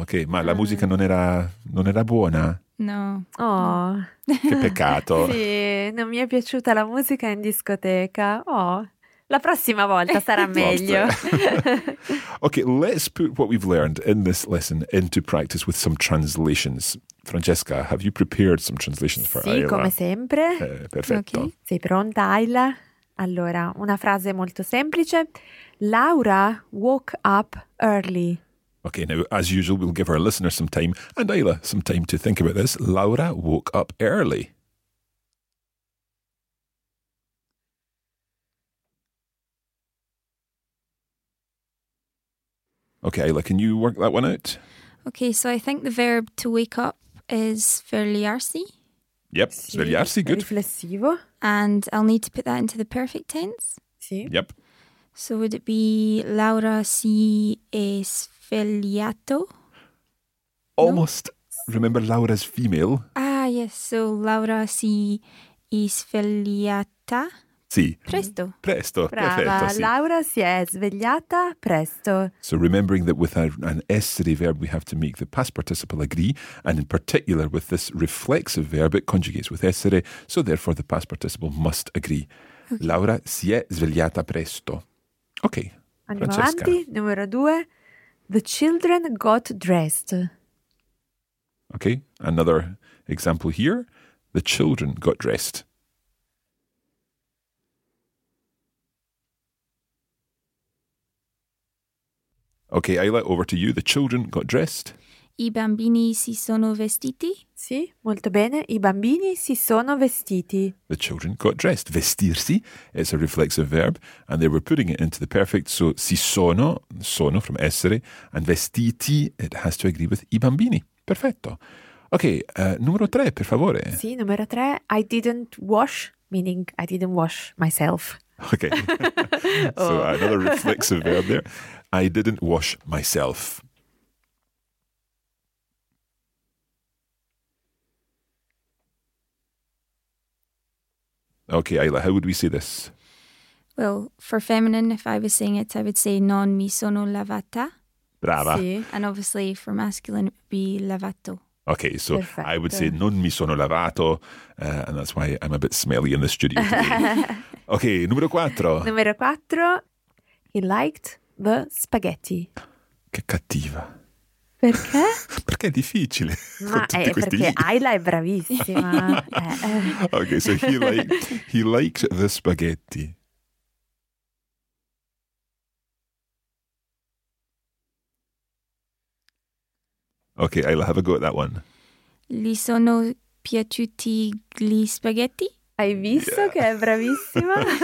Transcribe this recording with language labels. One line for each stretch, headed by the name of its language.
Italian: Ok, ma la musica non era buona? No. Oh. Che peccato. Sì, non mi è piaciuta la musica in discoteca. Oh, la prossima volta sarà meglio.
English: Ok, let's put what we've learned in this lesson into practice with some translations. Francesca, have you prepared some translations for Ayla?
Italian: Sì, come sempre. Perfetto. Okay. Sei pronta, Ayla? Allora, una frase molto semplice.
English: Laura woke up early. Okay, now, as usual, we'll give our listeners some time, and Ayla, some time to think about this. Laura woke up early. Okay, Ayla, can you work that one out? Okay, so I think the verb to wake up is svegliarsi. Yep, sì, svegliarsi, good.
Italian: Riflessivo.
English: And I'll need to put that into the perfect tense.
Italian: Sì.
English: Yep. So would it be
Italian: Laura si è svegliato?
English: Almost. No? Remember, Laura's female. Ah, yes. So
Italian: Laura si è svegliata. Sì. Presto. Presto. Brava. Perfetto, sì. Laura si è svegliata presto.
English: So remembering that with an essere verb, we have to make the past participle agree. And in particular, with this reflexive verb, it conjugates with essere. So therefore, the past participle must agree. Okay.
Italian: Laura si è svegliata presto.
English: Okay.
Italian: Andiamo Francesca. Avanti. Numero due.
English: The children got dressed. Okay. Another example here. The children got dressed. Okay, Ayla, over to you. The children got dressed.
Italian: I bambini si sono vestiti. Sì, molto bene. I bambini si sono vestiti.
English: The children got dressed. Vestirsi is a reflexive verb, and they were putting it into the perfect. So si sono, sono from essere, and vestiti, it has to agree with i bambini. Perfetto.
Italian: Okay, numero tre, per favore. Sì, numero tre.
English: I didn't wash, meaning I didn't wash myself. Okay. So another reflexive verb there. I didn't wash myself. Okay, Ayla, how would we say this? Well, for feminine, if I was saying it, I would say
Italian: non mi sono lavata. Brava. Sì.
English: And obviously for masculine, it would be lavato. Okay, so perfetto. I would say
Italian: non mi sono lavato,
English: and that's why I'm a bit smelly in the studio today.
Italian: Okay, numero quattro. Numero quattro,
English: he liked the spaghetti.
Italian: Che cattiva. Perché? Perché è difficile. Ma è perché Ayla è bravissima.
English: Okay, so he liked the spaghetti. Okay, Ayla, have a go at that one.
Italian: Li sono piaciuti gli spaghetti? Hai visto che è bravissima?